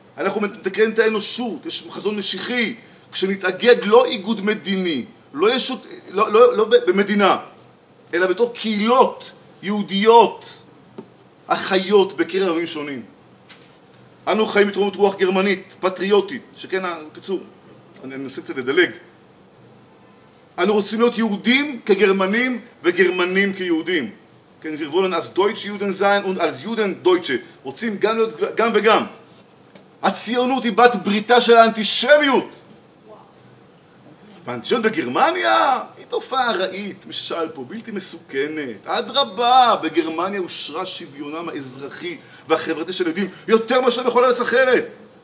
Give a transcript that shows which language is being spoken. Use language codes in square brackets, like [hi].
[he] אנחנו מתקן את האנושות, יש חזון משיחי. כשנתאגד לא איגוד מדיני, לא, ישות, לא, לא, לא במדינה, אלא בתוך קהילות יהודיות החיות בקרב עמים שונים. אנו חיים בתרומת רוח גרמנית, פטריוטית, שכן, קצור, אני אנסה קצת לדלג. אנו רוצים להיות יהודים כגרמנים וגרמנים כיהודים. כן, [de] wir wollen als deutsche Juden sein und als Juden deutsche. [he] רוצים גם להיות גם וגם. הציונות היא בת בריתה של האנטישמיות. והאנטישמיות בגרמניה היא תופעה ארעית, מי ששאל פה, בלתי מסוכנת. עד רבה, בגרמניה אושרה שוויונם האזרחי והחברתי של יהודים יותר מאשר בכל ארץ אחרת.